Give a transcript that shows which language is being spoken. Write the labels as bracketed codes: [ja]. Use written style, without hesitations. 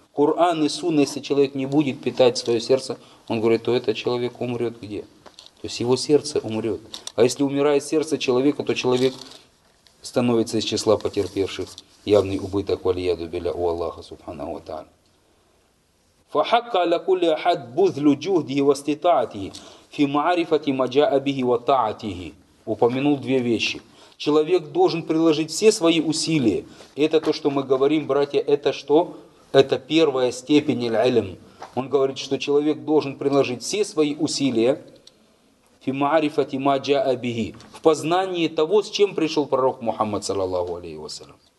[ru] Коран и Сунна, если человек не будет питать свое сердце, он говорит, то этот человек умрет где? То есть его сердце умрет. А если умирает сердце человека, то человек становится из числа потерпевших явный убыток валияду билля у Аллаха Субхана ва Тааля. [ar] فحق على كل احد بذل جهده واستطاعته في معرفه ما جاء به وطاعته. [ru] Упомянул две вещи. Человек должен приложить все свои усилия. Это то, что мы говорим, братья, это что? Это первая степень аль-ильм. Он говорит, что человек должен приложить все свои усилия [ar] في معرفه ما جاء به. [ru] В познании того, с чем пришел пророк Мухаммад саллаллаху алейхи ва саллям.